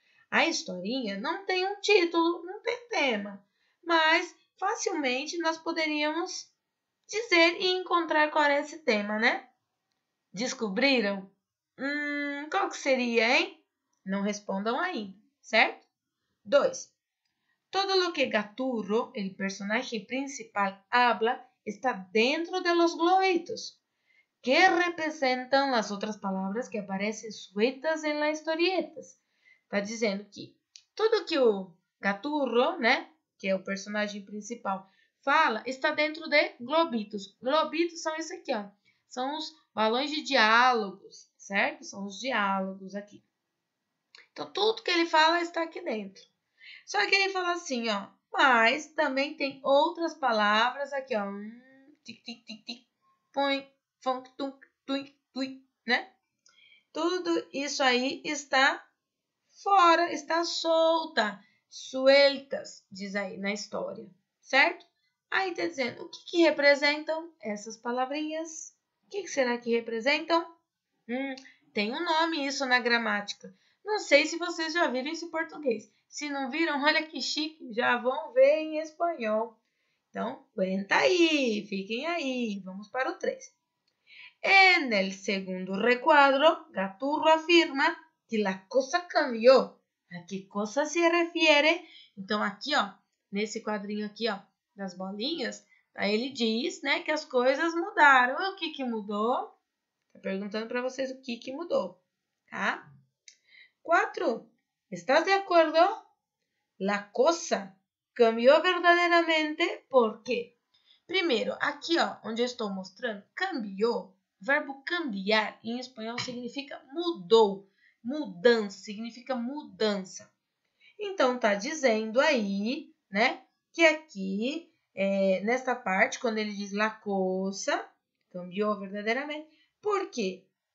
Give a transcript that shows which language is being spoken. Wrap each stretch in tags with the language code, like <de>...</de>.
<pt>A historinha não tem um título, não tem tema, mas facilmente nós poderíamos dizer e encontrar qual é esse tema, né? Descobriram? Qual que seria, hein? Não respondam ainda, certo? 2. Todo lo que Gaturro, el personaje principal, habla, está dentro de los globitos, que representan las otras palabras que aparecen sueltas en las historietas. Está dizendo que tudo que o Gaturro, né, que é o personagem principal, fala, está dentro de globitos. Globitos são isso aqui, ó. São os balões de diálogos, certo? São os diálogos aqui. Então, tudo que ele fala está aqui dentro. Só que ele fala assim, ó. Mas também tem outras palavras aqui, ó. Tic, tic, tic, tic. Põe, funk, tunk, tuin, tuin, né? Tudo isso aí está fora, está solta, sueltas, diz aí na história, certo? Aí está dizendo, o que que representam essas palavrinhas? O que que será que representam? Tem um nome isso na gramática. Não sei se vocês já viram esse português. Se não viram, olha que chique, já vão ver em espanhol. Então, aguenta aí, fiquem aí, vamos para o 3.</pt> <es>En el segundo recuadro, Gaturro afirma que la cosa cambió. ¿A qué cosa se refiere?</es> <pt>Então, aqui, ó, nesse quadrinho aqui, ó, das bolinhas, aí ele diz, né, que as coisas mudaram. O que que mudou? Tá perguntando para vocês o que que mudou, tá?</pt> <es>4. ¿Estás de acuerdo? La cosa cambió verdaderamente, ¿por qué?</es> <pt>Primeiro, aqui, ó, onde eu estou mostrando, cambió, verbo cambiar, em espanhol significa mudou. Mudança, significa mudança. Então, tá dizendo aí, né, que aqui, é, nesta parte, quando ele diz</pt> <es>la cosa, cambió</es> <pt>verdadeiramente, por quê?</pt>